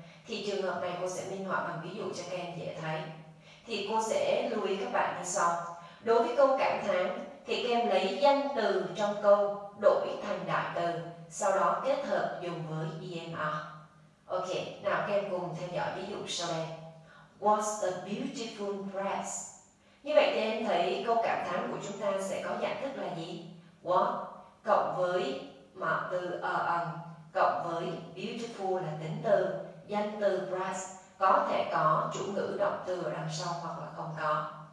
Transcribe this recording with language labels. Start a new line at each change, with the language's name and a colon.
Vietnamese: Thì trường hợp này cô sẽ minh họa bằng ví dụ cho các em dễ thấy. Thì cô sẽ lưu ý các bạn như sau. Đối với câu cảm thán thì các em lấy danh từ trong câu đổi thành đại từ, sau đó kết hợp dùng với ER. Ok, nào các em cùng theo dõi ví dụ sau đây.
English: What's a beautiful dress?
Vietnamese: Như vậy thì em thấy câu cảm thán của chúng ta sẽ có dạng thức là gì? What cộng với mở từ cộng với beautiful là tính từ, danh từ dress có thể có chủ ngữ động từ ở đằng sau hoặc là không có.